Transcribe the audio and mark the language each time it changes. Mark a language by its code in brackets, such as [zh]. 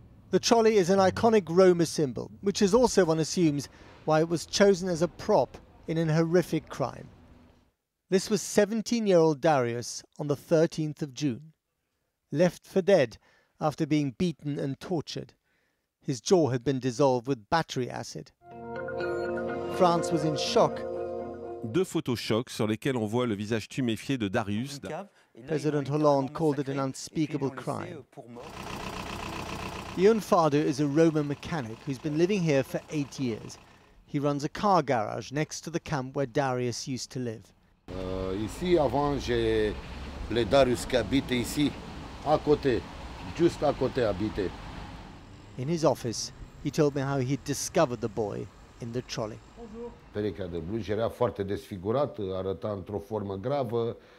[en] The trolley is an iconic Roma symbol, which is also, one assumes, why it was chosen as a prop in an horrific crime. This was 17-year-old Darius on the 13th of June, left for dead after being beaten and tortured. His jaw had been dissolved with battery acid. France was in shock. [fr] Deux photos chocs sur lesquelles on voit le visage tuméfié de Darius. [en] President Hollande called it an unspeakable crime. Ion Fardo is a Roma mechanic who's been living here for 8 years. He runs a car garage next to the camp where Darius used to live. [fr] Ici avant j'ai le Darius qui habite ici, à côté, juste à côté habite. [en] In his office, he told me how he'd discovered the boy in the trolley. [ro] Perechea de blugi era foarte desfigurată, arăta într-o formă gravă.